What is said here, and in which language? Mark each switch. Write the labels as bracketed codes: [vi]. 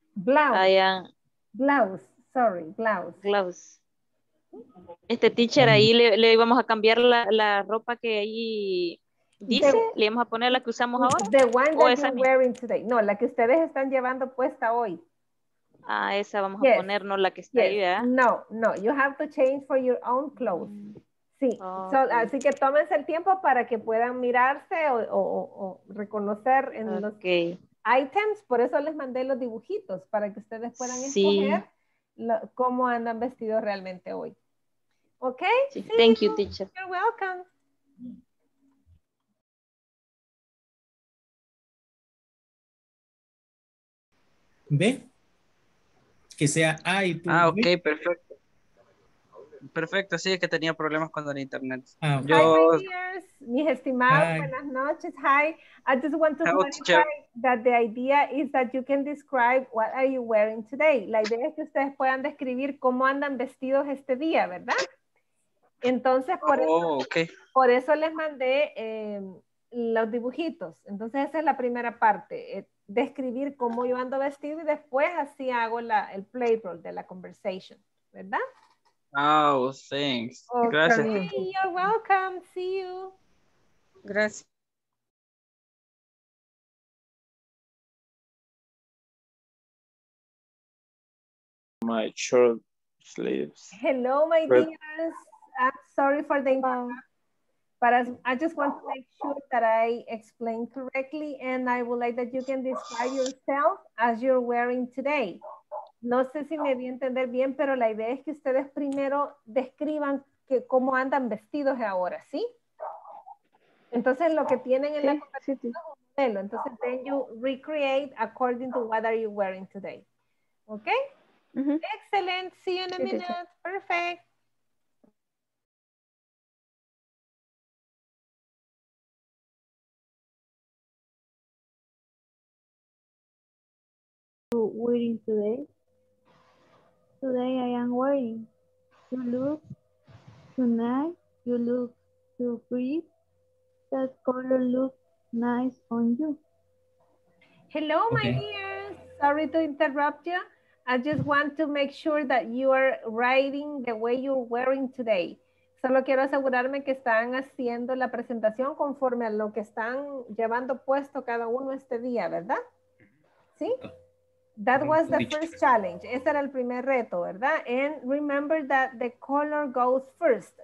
[en] Blouse. [es] Este teacher, ahí le íbamos a cambiar la ropa que ahí dice, le íbamos a poner la que usamos ahora. [en] The one that you're wearing today. [es] No, la que ustedes están llevando puesta hoy. Ah, esa vamos a poner, no la que está ahí, ¿verdad? [en] No, no, you have to change for your own clothes. [es] Sí, así que tómense el tiempo para que puedan mirarse o reconocer en los items. Por eso les mandé los dibujitos, para que ustedes puedan escoger cómo andan vestidos realmente hoy. ¿Ok? [en] Sí, thank you, teacher. You're welcome. [es] ¿Ve? Que sea I. Ah, ok, perfecto. Perfecto, sí, es que tenía problemas con el internet. Oh, okay. Mis estimados, buenas noches. [en] Hi, I just want to that the idea is that you can describe what are you wearing today. [es] La idea es que ustedes puedan describir cómo andan vestidos este día, ¿verdad? Entonces, por eso les mandé los dibujitos. Entonces, esa es la primera parte. Describir cómo yo ando vestido y después así hago el play role de la conversation, ¿verdad? [en] Oh, thanks. Okay. [es] Gracias. [en] Hey, you're welcome. See you. [es] Gracias. [en] My short sleeves. Hello, my dears. I'm sorry for the I just want to make sure that I explain correctly, and I would like that you can describe yourself as you're wearing today. [es] No sé si me di a entender bien, pero la idea es que ustedes primero describan cómo andan vestidos ahora, ¿sí? Entonces, lo que tienen en la conversación es un modelo. [en] Entonces, then you recreate according to what are you wearing today. ¿Ok? Mm-hmm. Excellent. See you in a minute. Perfect. Wearing today. Today I am wearing. You look tonight. You look too pretty. That color looks nice on you. Hello, my dears. Sorry to interrupt you. I just want to make sure that you are writing the way you're wearing today. [es] Solo quiero asegurarme que están haciendo la presentación conforme a lo que están llevando puesto cada uno este día, ¿verdad? Sí. [en] That was the first challenge. [es] Ese era el primer reto, ¿verdad? [en] And remember that the color goes first.